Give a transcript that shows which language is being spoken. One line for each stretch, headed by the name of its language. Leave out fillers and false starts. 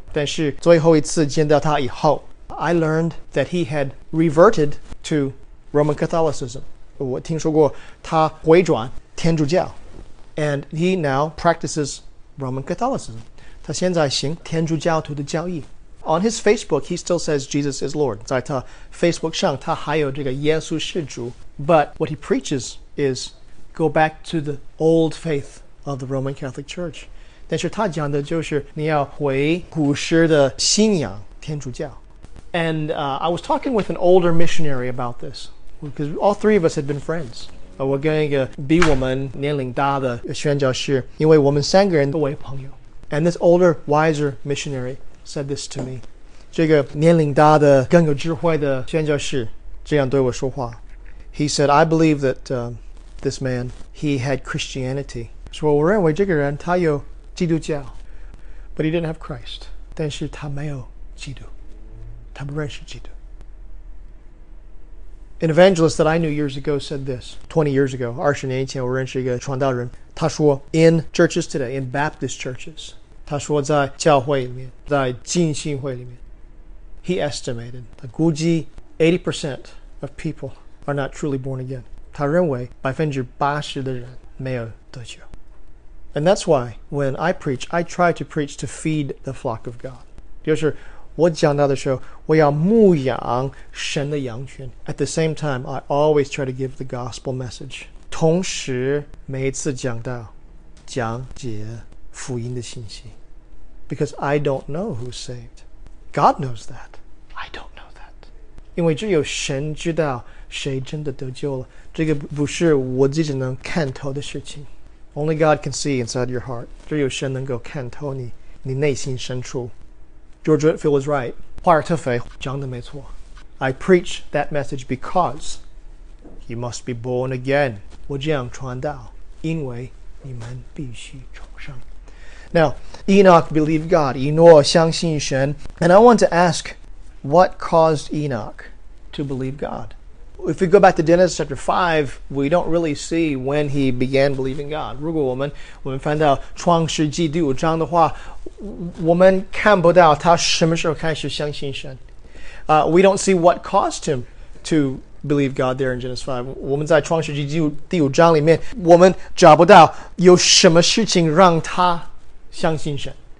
Chinese: 但是最后一次见到他以后
English: I learned that he had reverted to Roman Catholicism.
Chinese: 我听说过他回转天主教
English: And he now practices Roman Catholicism.
Chinese: 他现在行天主教徒的教义
English: On his Facebook, he still says Jesus is Lord.
Chinese: 在他 Facebook 上他还有这个耶稣是主
English: But what he preaches is go back to the old faith of the Roman Catholic Church.
Chinese: 但是他讲的就是你要回古时的信仰天主教。
English: And I was talking with an older missionary about this, because all three of us had been friends.
Chinese: 我跟一个比我们年龄大的宣教士，因为我们三个人都为朋友。
English: And this older, wiser missionary said this to me.
Chinese: 这个年龄大的更有智慧的宣教士这样对我说话。
English: He said, I believe that this man, he had Christianity.
Chinese: 说我认为这个人他有基督教
English: but he didn't have Christ.
Chinese: 但是他没有基督，他不认识基督。
English: An evangelist that I knew years ago said this, 20 years ago,
Chinese: 二十年以前我认识一个传道人，他说
English: in churches today, in Baptist churches,
Chinese: 他说在教会里面，在浸信会里面，
English: he estimated,
Chinese: 他估计
English: 80% of people are not truly born again.
Chinese: 他认为80%的人没有得救。
English: And that's why when I preach, I try to preach to feed the flock of God.
Chinese: 就是我讲到的时候，我要牧养神的羊群。
English: At the same time, I always try to give the gospel message.
Chinese: 同时每一次讲到讲解福音的信息。
English: Because I don't know who's saved. God knows that. I don't know that.
Chinese: 因为只有神知道谁真的得救了。这个不是我自己能看透的事情。
English: Only God can see inside your heart.
Chinese: 只有神能够看透你内心深处。
English: George Whitfield was right.
Chinese: 华尔特菲讲的没错。
English: I preach that message because you must be born again.
Chinese: 我这样传道，因为你们必须重生。
English: Now, Enoch believed God.
Chinese: 以诺相信神。
English: And I want to ask, what caused Enoch to believe God? If we go back to Genesis chapter 5, we don't really see when he began believing God.
Chinese: 如果我们翻到创世纪第五章的话，我们看不到他什么时候开始相信神。
English: We don't see what caused him to believe God there in Genesis 5.
Chinese: 我们在创世纪第五章里面，我们找不到有什么事情让他相信神。